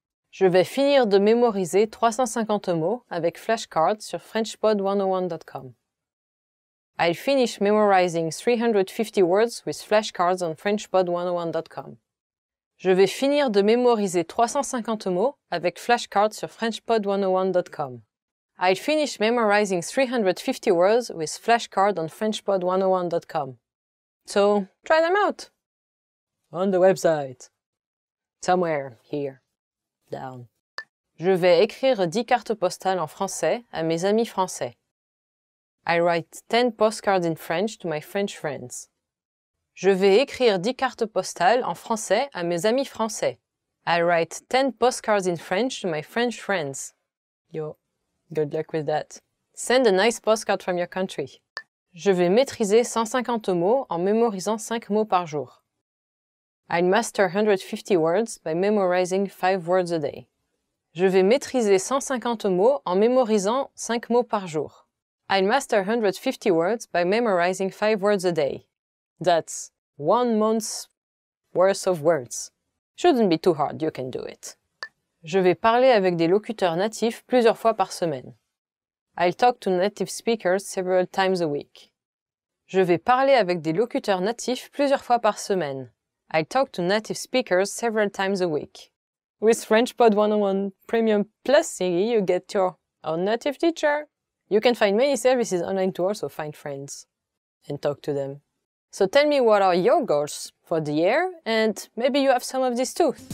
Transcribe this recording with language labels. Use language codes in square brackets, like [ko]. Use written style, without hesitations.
[fr] Je vais finir de mémoriser 350 mots avec flashcards sur FrenchPod101.com. [en] I'll finish memorizing 350 words with flashcards on FrenchPod101.com. [fr] Je vais finir de mémoriser 350 mots avec flashcards sur FrenchPod101.com. [en] I'll finish memorizing 350 words with flashcard on FrenchPod101.com. So, try them out! On the website. Somewhere, here. Down. [fr] Je vais écrire 10 cartes postales en français à mes amis français. [en] I write 10 postcards in French to my French friends. [fr] Je vais écrire 10 cartes postales en français à mes amis français. [en] I write 10 postcards in French to my French friends. Yo. Good luck with that. Send a nice postcard from your country. [fr] Je vais maîtriser 150 mots en mémorisant 5 mots par jour. [en] I'll master 150 words by memorizing 5 words a day. [fr] Je vais maîtriser 150 mots en mémorisant 5 mots par jour. [en] I'll master 150 words by memorizing 5 words a day. That's 1 month's worth of words. Shouldn't be too hard, you can do it. [fr] Je vais parler avec des locuteurs natifs plusieurs fois par semaine. [en] I'll talk to native speakers several times a week. [fr] Je vais parler avec des locuteurs natifs plusieurs fois par semaine. [en] I'll talk to native speakers several times a week. With FrenchPod 101 Premium Plus thingy, you get your own native teacher. You can find many services online to also find friends and talk to them. So tell me what are your goals for the year, and maybe you have some of these too.